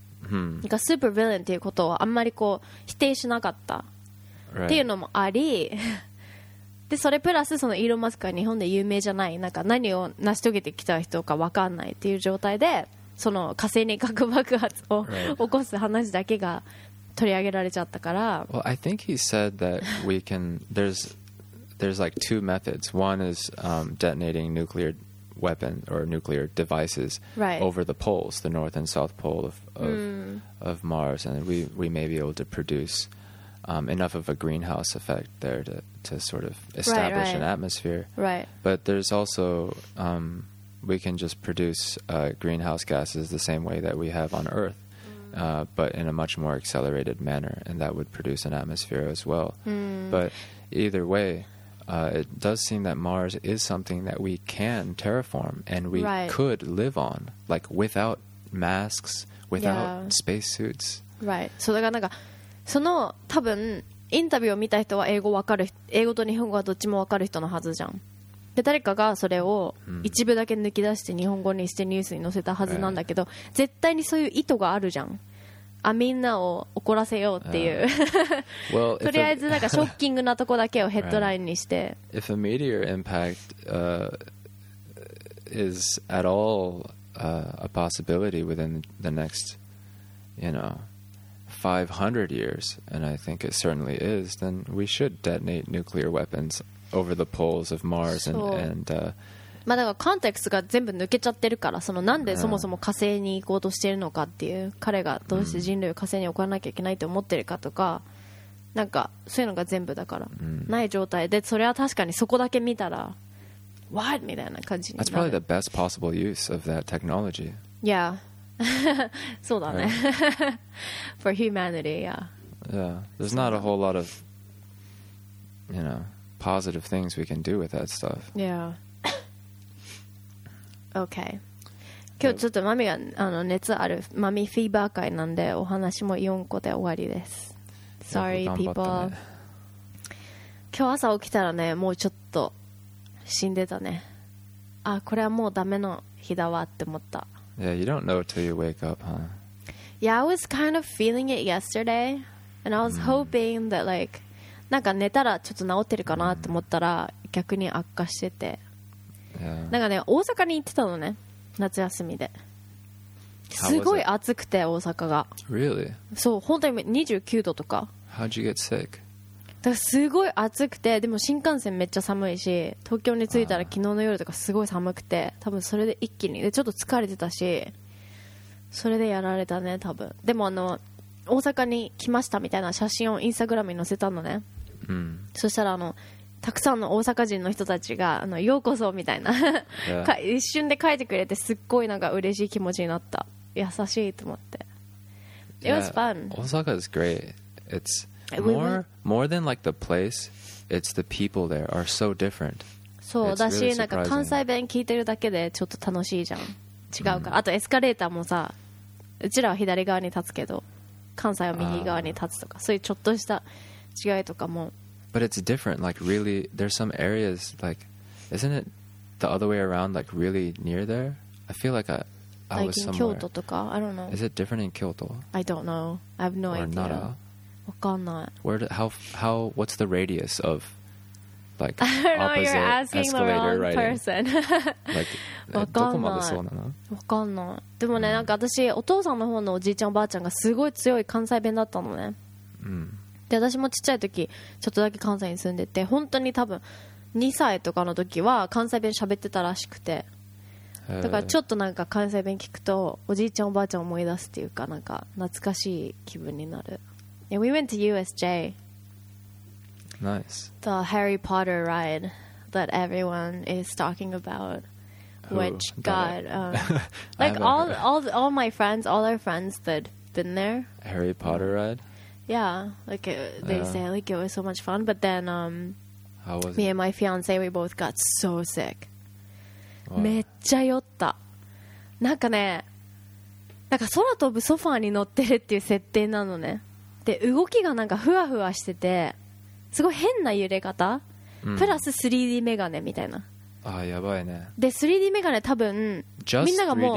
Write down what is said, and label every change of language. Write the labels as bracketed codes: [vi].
[ja] なんかスーパーヴィレンっていうことをあんまりこう否定しなかったっていうのもあり、でそれプラスそのイーロン・マスクは日本で有名じゃない、なんか何を成し遂げてきた人か分かんないっていう状態でその火星に核爆発を起こす話だけが取り上げられちゃったから。 [en] Well, I think he said that we can there's like two methods. One is detonating nuclear weapon or nuclear devices over the poles, the north and south pole of Mars, and we may be able to produce enough of a greenhouse effect there to sort of establish an atmosphere. Right. But there's also we can just produce greenhouse gases the same way that we have on Earth, but in a much more accelerated manner, and that would produce an atmosphere as well. But either way, it does seem that Mars is something that we can terraform and we could live on, like without masks, without spacesuits. Right. [ja] So, だからなんかその多分インタビューを見た人は英語わかる英語と日本語はどっちもわかる人のはずじゃん。で誰かがそれを一部だけ抜き出して日本語にしてニュースに載せたはずなんだけど、絶対にそういう意図があるじゃん。あみんなを怒らせようっていう。 [en] Well, [ja] とりあえずなんかショッキングなとこだけをヘッドラインにして。 [en] If a meteor impact is at all a possibility within the next, you know, 500 years, and I think it certainly is, then we should detonate nuclear weapons over the poles of Mars and [ja] まあ、だからコンテクストが全部抜けちゃってるから、そのなんでそもそも火星に行こうとしてるのかっていう、彼がどうして人類を火星に送らなきゃいけないと思ってるかとか、なんかそういうのが全部だからない状態で、それは確かにそこだけ見たら What? みたいな感じになる。 [en] That's probably the best possible use of that technology. Yeah. [ja] そうだね。 [en] For humanity, yeah. Yeah. There's not a whole lot of, you know, positive things we can do with that stuff. Yeah. Okay. [ja] 今日ちょっとマミがあの熱あるマミフィーバー会なんで、お話も4個で終わりです。 [en] Sorry people、 [ja] ね、今日朝起きたらね、もうちょっと死んでたね。あ、これはもうダメの日だわって思った。 [en] Yeah, you don't know till you wake up, huh? Yeah, I was kind of feeling it yesterday, and I was hoping that like [ja] なんか寝たらちょっと治ってるかなって思ったら、逆に悪化してて、なんかね、大阪に行ってたのね、夏休みで。すごい暑くて、大阪が。 [en] Really? [ja] そう、本当に29度とか。 [en] How'd you get sick? [ja] だからすごい暑くて、でも新幹線めっちゃ寒いし、東京に着いたら昨日の夜とかすごい寒くて、多分それで一気に、でちょっと疲れてたし、それでやられたね、多分。でもあの大阪に来ましたみたいな写真をインスタグラムに載せたのね。そしたらあのたくさんの大阪人の人たちがあのようこそみたいな一瞬で書いてくれて、すっごいなんか嬉しい気持ちになった。優しいと思って。 [en] It was fun. 大阪 is great. It's more than like the place, it's the people there are so different. [ja] そうだし、なんか関西弁聞いてるだけでちょっと楽しいじゃん、違うから。あとエスカレーターもさ、うちらは左側に立つけど関西は右側に立つとか、そういうちょっとした違いとかも。 [en] But it's different. Like really, there's some areas like, isn't it the other way around? Like really near there? I feel like I like was somewhere. Like in Kyoto [ja] とか? [en] I don't know. Is it different in Kyoto? I don't know. I have no Or idea. Or Nara? [ja] わかんない。 [en] Where? How? What's the radius of like opposite escalator riding? You're asking the wrong person. [ja] like, どこまでそうなの? わかんない。でもね、なんか私お父さんの方のおじいちゃんおばあちゃんがすごい強い関西弁だったのね。で私もちっちゃい時ちょっとだけ関西に住んでて、本当に多分2歳とかの時は関西弁喋ってたらしくて、だからちょっとなんか関西弁聞くとおじいちゃんおばあちゃん思い出すっていうかなんか懐かしい気分になる。 [en] Yeah, we went to USJ. Nice. The Harry Potter ride that everyone is talking about. Which got like all my friends, all our friends that been there. Harry Potter ride? Yeah, like it, they say like it was so much fun, but then How was me it? And my fiance, we both got so sick. [ja] めっちゃ酔った。なんかね、なんか空飛ぶソファーに乗ってるっていう設定なのね。で、動きがなんかふわふわしてて、すごい変な揺れ方、うん、プラス 3D メガネみたいな。あ、やばいね。で、3D メガネ多分、みんながもう。